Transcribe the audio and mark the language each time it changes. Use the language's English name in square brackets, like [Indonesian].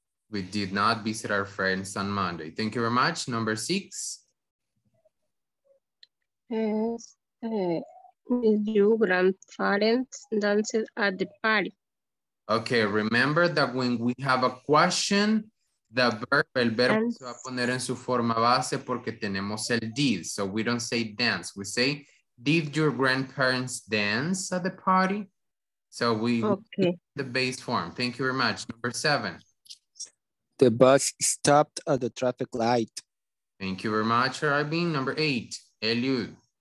[English] We did not visit our friends on Monday. Thank you very much. Number six. Yes. Your grandparents danced at the party. Okay, remember that when we have a question, the verb, [Spanish] el verbo [English] dance. [Spanish] Se va a poner en su forma base porque tenemos el did. [English] So we don't say dance. We say, did your grandparents dance at the party? So we okay. The base form. Thank you very much. Number seven. The bus stopped at the traffic light. Thank you very much, Arabin. Number eight, Eliud.